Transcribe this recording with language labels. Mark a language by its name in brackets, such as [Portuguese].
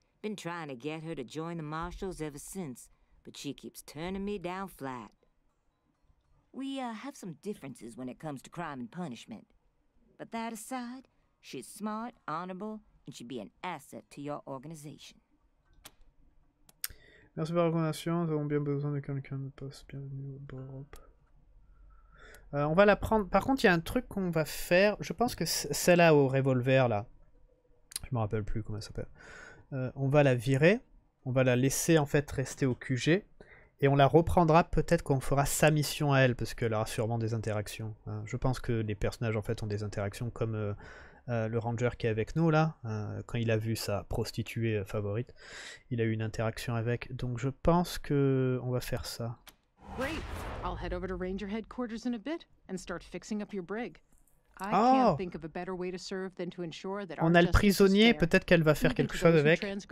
[English] Been trying to get her to join the marshals ever since, but she keeps turning me down flat. We, have some differences when it comes to crime and punishment. But that aside, she's smart, honorable, and she'd be an asset to your organization. [French] Merci pour la recommandation, nous avons bien besoin de quelqu'un de poste. Bienvenue au Europe. On va la prendre. Par contre, il y a un truc qu'on va faire. Je pense que celle-là au revolver, là. Je me rappelle plus comment elle s'appelle. On va la virer. On va la laisser, en fait, rester au QG. Et on la reprendra peut-être quand on fera sa mission à elle. Parce qu'elle aura sûrement des interactions. Je pense que les personnages, en fait, ont des interactions. Comme le ranger qui est avec nous, là. Quand il a vu sa prostituée favorite. Il a eu une interaction avec. Donc je pense que on va faire ça. [English] Great. I'll head over to Ranger headquarters in a bit and start fixing up your brig. I can't think of a better way to serve than to ensure that [French] on a le prisonnier, peut-être qu'elle va faire quelque chose avec.